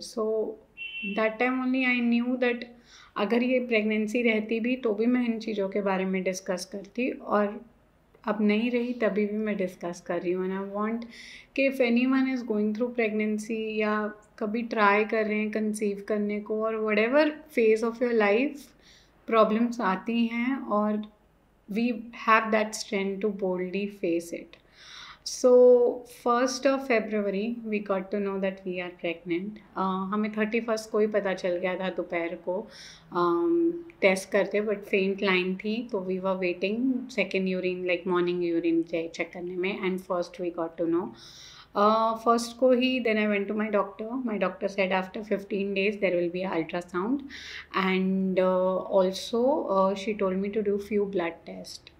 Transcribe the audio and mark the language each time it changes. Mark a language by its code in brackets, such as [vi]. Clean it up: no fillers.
[en] so that time only I knew that [hi] अगर ये pregnancy रहती भी तो भी मैं इन चीज़ों के बारे में डिस्कस करती, और अब नहीं रही तभी भी मैं डिस्कस कर रही हूँ. [en] and I want कि if anyone is going through pregnancy [hi] या कभी ट्राई कर रहे हैं कंसीव करने को, [en] और whatever phase of your life problems आती हैं, और we have that strength to boldly face it. So 1st of February we got to know that we are pregnant. [hi] हमें 31st को ही पता चल गया था दोपहर को टेस्ट करते, [en] But faint line थी तो we were waiting second urine, like morning urine check करने में, and first we got to know. [hi] First को ही [en] Then I went to my doctor. My doctor said after 15 days there will be ultrasound, and also she told me to do few blood test.